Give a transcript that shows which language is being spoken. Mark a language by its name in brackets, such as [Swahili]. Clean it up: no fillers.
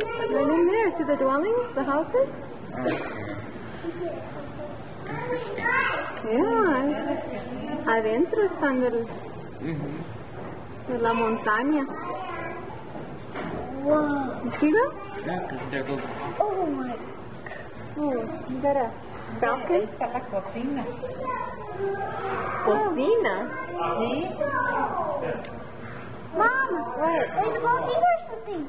[English] Right in there, see the dwellings, the houses? [Spanish] Yeah, adentro están de la montaña. [English] Whoa. You see them? Yeah, because they're going. Oh my. Oh, you got a balcony? [Spanish] Ahí está la cocina. Cocina? Sí. [English] Mom, there's a balcony or something.